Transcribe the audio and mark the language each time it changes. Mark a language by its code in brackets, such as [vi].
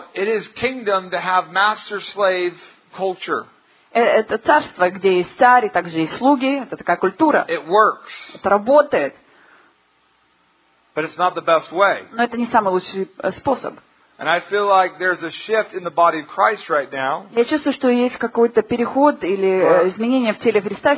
[en] Now it is kingdom to have master-slave culture. [ru] Это царство, где есть царь и также есть слуги. Это такая культура. [en] It works. [ru] Это работает. [en] But it's not the best way. [ru] Но это не самый лучший способ. [en] And I feel like there's a shift in the body of Christ right now. [ru] Я чувствую, что есть какой-то переход или изменение в теле Христа сейчас.